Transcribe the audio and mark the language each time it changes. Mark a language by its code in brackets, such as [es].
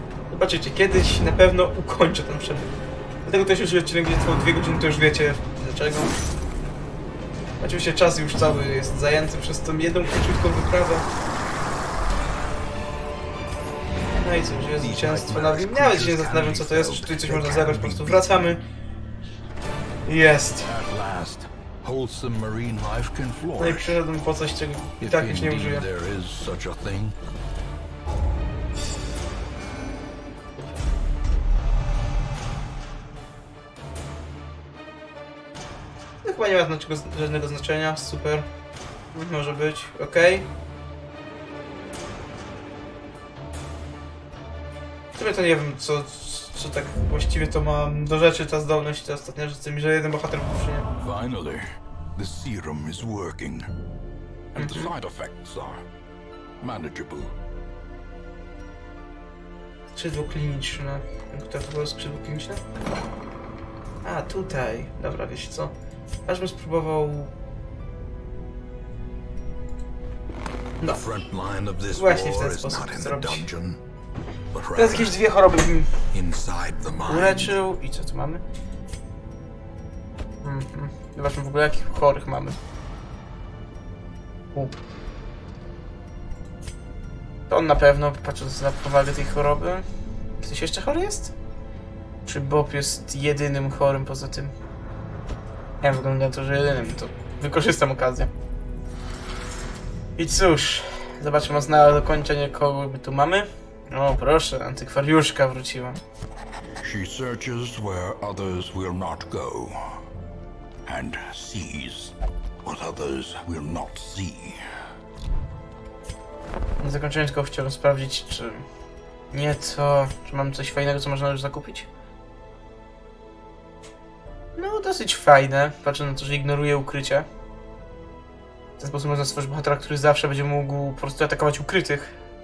[pl] Zobaczycie, kiedyś na pewno ukończę ten przebieg. Dlatego też już odcinek będzie trwał 2 godziny, to już wiecie dlaczego. Oczywiście czas już cały jest zajęty przez tą jedną króciutką wyprawę. No i co, że jest zwycięstwo, nawet się nie zastanawiam co to jest, czy tutaj coś można zagrać, po prostu wracamy. Jest. [en] Wholesome marine life can flourish. [pl] No i przyszedłem po coś, czego i tak już nie użyję. [en] There is such a thing. [pl] No, chyba nie ma znaczego, żadnego znaczenia, super. Może być, okej. Okay. W sumie to nie wiem, co tak właściwie to ma do rzeczy, ta zdolność, ta ostatnia rzecz, tymi, że jeden bohater po prostu nie. [en] Finally. The serum is working, and the side effects are manageable. [pl] Skrzydło kliniczne. Które to było skrzydło kliniczne? A, tutaj. Dobra, wiesz co? Aż bym spróbował... No. Właśnie w ten sposób to zrobić. Teraz jakieś dwie choroby bym uleczył. I co tu mamy? Zobaczmy w ogóle jakich chorych mamy. To on na pewno, patrząc na powagę tej choroby. Ktoś jeszcze chory jest? Czy Bob jest jedynym chorym poza tym? Ja wygląda na to, że jedynym, to wykorzystam okazję. I cóż, zobaczmy na dokończenie kogo by tu mamy. O proszę, antykwariuszka wróciła. [en] She searches where others will not go. And sees what others will not see. [pl] Na zakończenie tylko chciałbym sprawdzić, czy nieco, czy mam coś fajnego, co można już zakupić. No, dosyć fajne, patrzę na to, że ignoruje ukrycie. W ten sposób można stworzyć bohatera, który zawsze będzie mógł po prostu atakować ukrytych.